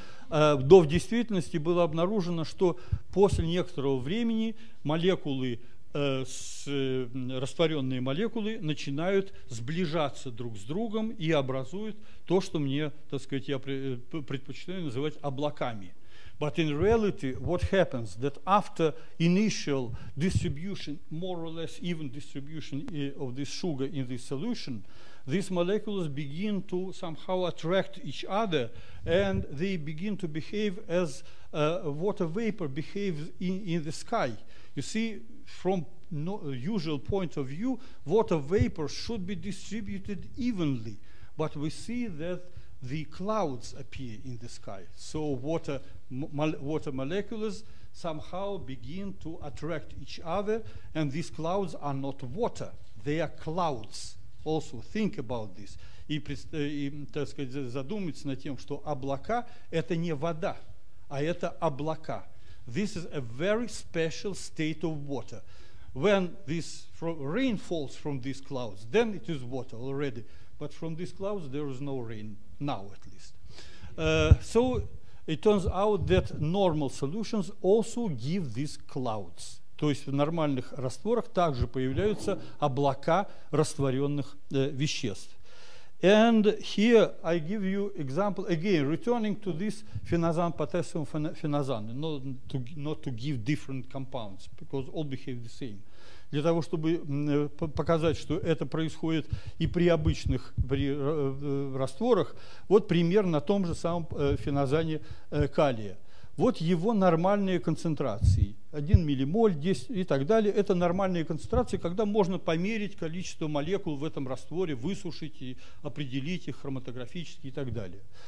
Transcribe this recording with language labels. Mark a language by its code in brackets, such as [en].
[ru] Но в действительности было обнаружено, что после некоторого времени молекулы, растворенные молекулы, начинают сближаться друг с другом и образуют то, что мне, так сказать, я предпочитаю называть облаками. [en] But in reality, what happens that after initial distribution, more or less even distribution of this sugar in this solution, these molecules begin to somehow attract each other, and they begin to behave as water vapor behaves in the sky. You see, from no usual point of view, water vapor should be distributed evenly, but we see that the clouds appear in the sky. So water molecules somehow begin to attract each other, and these clouds are not water, they are clouds. Also think about this. [ru] И, так сказать, задуматься над тем, что облака – это не вода, а это облака. [en] This is a very special state of water. When this rain falls from these clouds, then it is water already. But from these clouds there is no rain, now at least. So it turns out that normal solutions also give these clouds. [ru] То есть в нормальных растворах также появляются облака растворенных веществ. [en] And here I give you example again, returning to this phenazan, potassium phenazan, not to give different compounds because all behave the same. [ru] для того, чтобы показать, что это происходит и при обычных растворах. Вот пример на том же самом феназане калия. Вот его нормальные концентрации. 1 миллимоль, 10 и так далее. Это нормальные концентрации, когда можно померить количество молекул в этом растворе, высушить и определить их хроматографически и так далее.